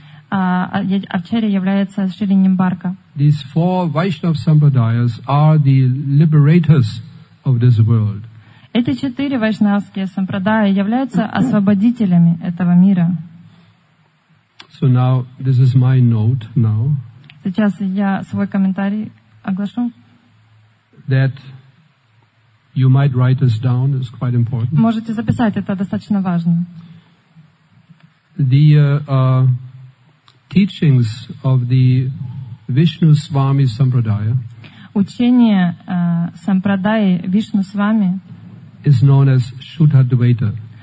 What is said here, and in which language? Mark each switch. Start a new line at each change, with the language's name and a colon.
Russian: Ачарья является Шри Нимбарка.
English: These four Vaishnava Sampradayas are the liberators of this world.
Russian: Эти четыре вайшнавские сампрадаи являются освободителями этого мира.
English: So now this is my note now.
Russian: Сейчас я свой комментарий оглашу.
English: That you might write this down is quite important.
Russian: Можете записать, это достаточно важно.
English: The teachings of the Vishnu Swami Sampradaya.
Russian: Учение сампрадаи Вишну Свами.
English: Is known as Shuddha Dvaita.